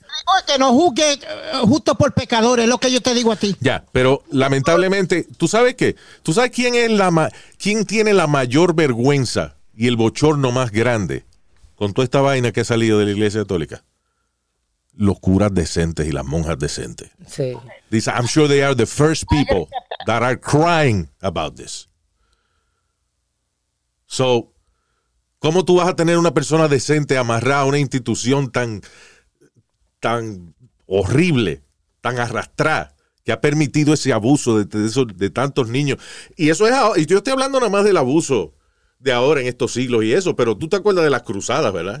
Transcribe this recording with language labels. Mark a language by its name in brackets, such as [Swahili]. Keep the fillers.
[Spanish] digo es que no juzgue justo por pecadores, lo que yo te digo a ti. Ya, yeah, pero lamentablemente, ¿tú sabes qué? ¿Tú sabes quién, es la quién tiene la mayor vergüenza y el bochorno más grande con toda esta vaina que ha salido de la Iglesia Católica? Los curas decentes y las monjas decentes. Sí. dice [English] I'm sure they are the first people that are crying about this. [Spanish] So, ¿Cómo tú vas a tener una persona decente amarrada a una institución tan, tan horrible, tan arrastrada, que ha permitido ese abuso de, de, de, tantos niños? Y eso es, y yo estoy hablando nada más del abuso de ahora en estos siglos y eso, pero tú te acuerdas de las cruzadas, ¿verdad?